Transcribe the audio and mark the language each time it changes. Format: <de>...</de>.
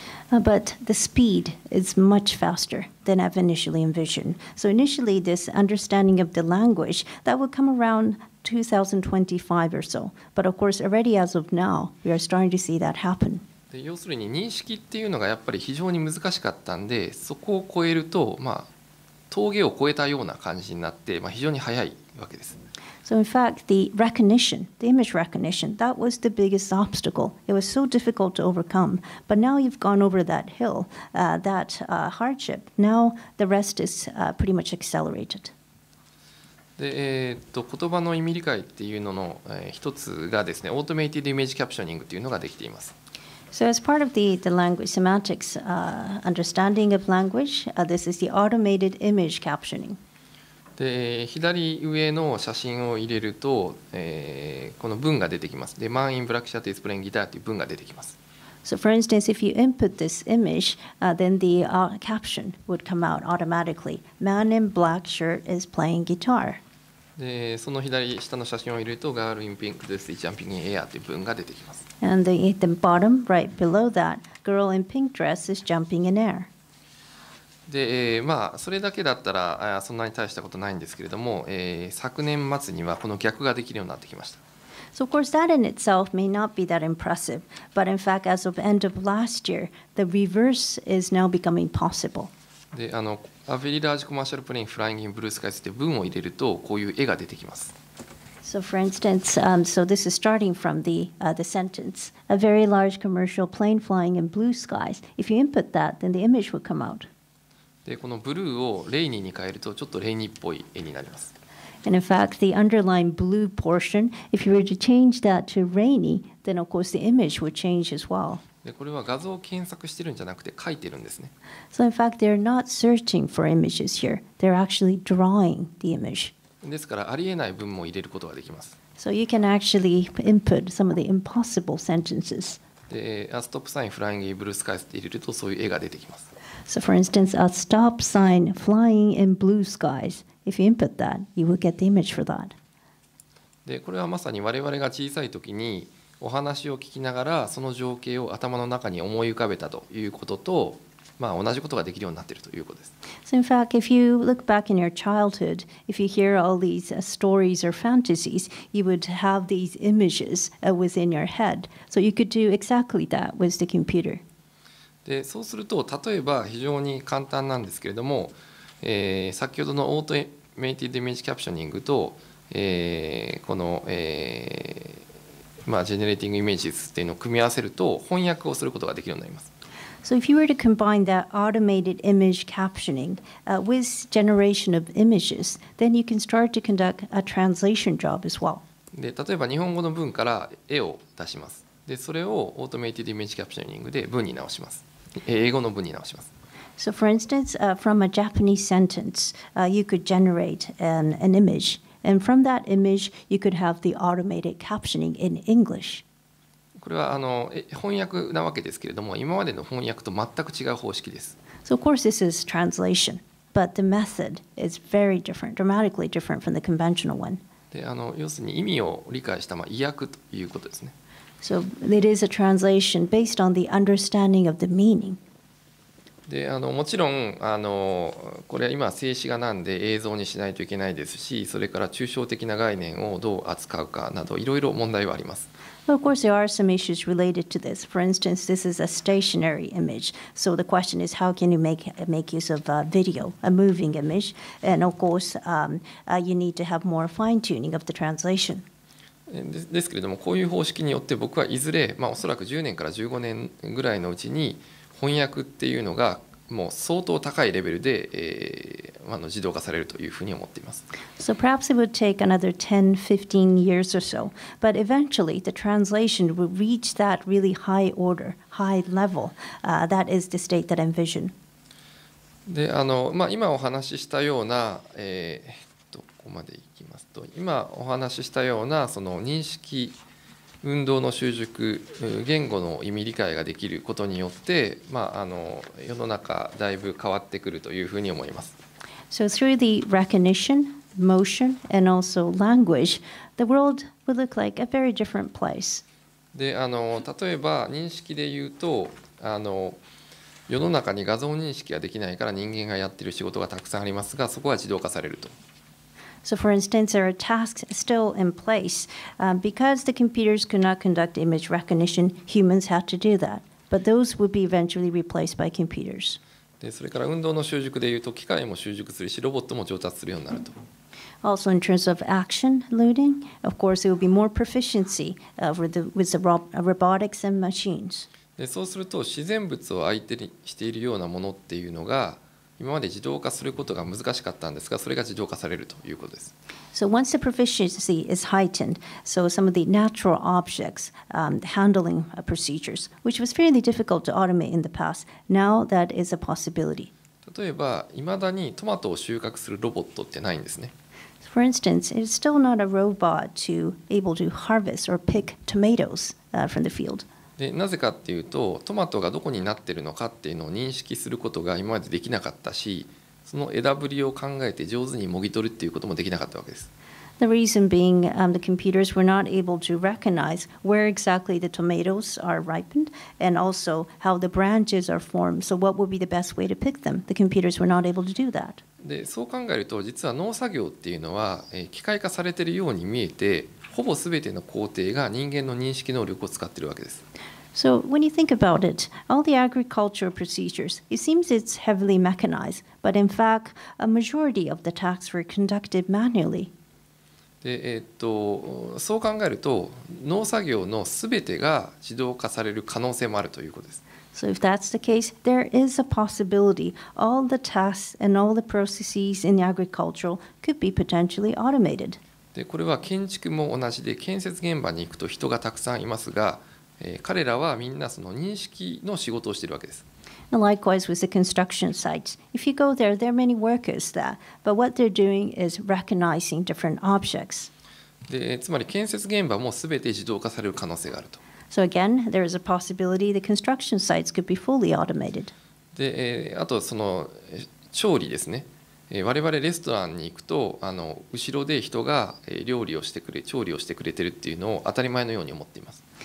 <en>But the speed is much faster than I've initially envisioned. So initially this understanding of the language that would come around 2025 or so. But of course already as of now we are starting to see that happen.</en> <ja>要するに認識っていうのがやっぱり非常に難しかったんで、そこを超えると、峠を越えたような感じになって、まあ、非常に早いわけです。</ja> <en>So in fact, the recognition, the image recognition, that was the biggest obstacle. It was so difficult to overcome. But now you've gone over that hill, that hardship. Now the rest is pretty much accelerated.</en> <ja>で、言葉の意味理解っていうのの、一つがですね、automated image captioning っていうのができています。</ja> <en>So as part of the language semantics, understanding of language, this is the automated image captioning.</en> <ja>で左上の写真を入れると、この文が出てきます。で、</ja> <en>Man in black shirt is playing guitar</en> <ja>という文が出てきます。</ja> <en>So for instance, if you input this image, then the caption would come out automatically. Man in black shirt is playing guitar.</en> <ja>で、その左下の写真を入れると、</ja> <en>Girl in pink dress is jumping in air</en> <ja>という文が出てきます。</ja> <en>And the bottom right below that, girl in pink dress is jumping in air.</en> <ja>でまあ、それだけだったらそんなに大したことないんですけれども、昨年末にはこの逆ができるようになってきました。</ja> <en>So of course that in itself may not be that impressive, but in fact as of end of last year, the reverse is now becoming possible.</en> <ja>で、</ja> <en>A very large commercial plane flying in blue skies</en> <ja>って文を入れるとこういう絵が出てきます。</ja> <en>So for instance, so this is starting from the sentence, a very large commercial plane flying in blue skies. If you input that, then the image would come out.</en> <ja>でこのブルーをレイニーに変えるとちょっとレイニーっぽい絵になります。</ja> <en>And in fact, the underlying blue portion, if you were to change that to rainy, then of course the image would change as well.</en> <ja>でこれは画像を検索してるんじゃなくて書いてるんですね。</ja> <en>So in fact, they're not searching for images here. They're actually drawing the image.</en> <ja>ですからありえない文も入れることができます。</ja> <en>So you can actually input some of the impossible sentences.</en> <ja>で、</ja> <en>A stop sign flying in blue skies</en> <ja>って入れるとそういう絵が出てきます。</ja> <en>So for instance, a stop sign flying in blue skies. If you input that, you will get the image for that.</en> <ja>で、これはまさに我々が小さい時にお話を聞きながらその情景を頭の中に思い浮かべたということと、まあ、同じことができるようになっているということです。</ja> <en>So in fact, if you look back in your childhood, if you hear all these stories or fantasies, you would have these images within your head. So you could do exactly that with the computer.</en> <ja>でそうすると例えば非常に簡単なんですけれども、先ほどのオートメイティドイメージキャプショニングと、この、ジェネレーティングイメージズというのを組み合わせると翻訳をすることができるようになります。</ja> <en>So if you were to combine that automated image captioning with generation of images, then you can start to conduct a translation job as well.</en> <ja>で例えば日本語の文から絵を出します。でそれをオートメイティドイメージキャプショニングで文に直します。英語の文に直します。</ja> <en>So for instance, from a Japanese sentence, you could generate an image, and from that image, you could have the automated captioning in English.</en> <ja>これは翻訳なわけですけれども、今までの翻訳と全く違う方式です。</ja> <en>So of course, this is translation, but the method is very different, dramatically different from the conventional one.</en> <ja>で要するに意味を理解した、まあ、意訳ということですね。</ja> <en>So it is a translation based on the understanding of the meaning.</en> <ja>で、もちろん、これは今静止画なんで映像にしないといけないですし、それから抽象的な概念をどう扱うかなどいろいろ問題はあります。</ja> <en>Of course, there are some issues related to this. For instance, this is a stationary image. So the question is, how can you make use of a video, a moving image? And of course, you need to have more fine-tuning of the translation.</en> <ja>ですけれどもこういう方式によって僕はいずれ、まあ、おそらく10年から15年ぐらいのうちに翻訳っていうのがもう相当高いレベルで、自動化されるというふうに思っています。</ja> <en>So perhaps it would take another 10-15 years or so, but eventually the translation would reach that really high order, high level, that is the state that I envision.</en> <ja>で今お話ししたような、ここまでいきますと、今お話ししたようなその認識運動の習熟言語の意味理解ができることによって、世の中だいぶ変わってくるというふうに思います。</ja> <en>So through the recognition, motion, and also language, the world would look like a very different place.</en> <ja>で、例えば認識で言うと、世の中に画像認識ができないから人間がやっている仕事がたくさんありますが、そこは自動化されると。</ja> <en>So for instance, there are tasks still in place. Because the computers could not conduct image recognition, humans had to do that. But those would be eventually replaced by computers.</en> <ja>で、それから運動の習熟でいうと機械も習熟するし、ロボットも上達するようになると。</ja> <en>Also in terms of action learning, of course, there will be more proficiency with the robotics and machines.</en> <ja>で、そうすると自然物を相手にしているようなものっていうのが今まで自動化することが難しかったんですが、それが自動化されるということです。</ja> <en>So once the proficiency is heightened, so some of the natural objects, handling procedures, which was fairly difficult to automate in the past, now that is a possibility.</en> <ja>例えば、いまだにトマトを収穫するロボットってないんですね。</ja> <en>For instance, it's still not a robot to able to harvest or pick tomatoes, from the field.</en> <ja>でなぜかっていうと、トマトがどこになってるのかっていうのを認識することが今までできなかったし、その枝ぶりを考えて上手にもぎ取るっていうこともできなかったわけです。</ja> <en>The reason being, the computers were not able to recognize where exactly the tomatoes are ripened and also how the branches are formed. So what would be the best way to pick them? The computers were not able to do that.</en> <ja>で、そう考えると、実は農作業っていうのは、機械化されてるように見えて、ほぼすべての工程が人間の認識能力を使っているわけです。</ja> <en>So when you think about it, all the agricultural procedures, it seems it's heavily mechanized, but in fact, a majority of the tasks were conducted manually.</en> <ja>で、そう考えると、農作業のすべてが自動化される可能性もあるということです。</ja> <en>So if that's the case, there is a possibility all the tasks and all the processes in the agricultural could be potentially automated.</en> <ja>でこれは建築も同じで、建設現場に行くと人がたくさんいますが、彼らはみんなその認識の仕事をしているわけです。</ja> <en>Likewise with the construction sites. If you go there, there are many workers there, but what they're doing is recognizing different objects.</en> <ja>で、つまり建設現場もすべて自動化される可能性があると。</ja> <en>So again, there is a possibility the construction sites could be fully automated.</en> <ja>で、あとその調理ですね。我々レストランに行くと、後ろで人が料理をしてくれ、調理をしてくれてるっていうのを当たり前のように思っています。</ja>